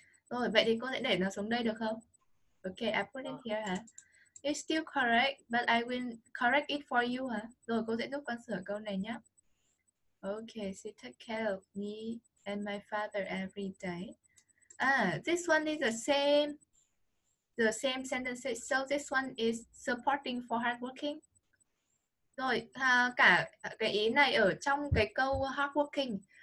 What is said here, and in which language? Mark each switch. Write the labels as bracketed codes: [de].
[vi] Rồi, vậy thì cô sẽ để nó xuống đây được không? [en] Ok, I put it here hả? It's still correct, but I will correct it for you hả? [vi] Rồi, cô sẽ giúp con sửa câu này nhé. [en] Ok, she takes care of me and my father every day. Ah, this one is the same sentences. So this one is supporting for hardworking. [vi] Rồi, cả cái ý này ở trong cái câu hardworking.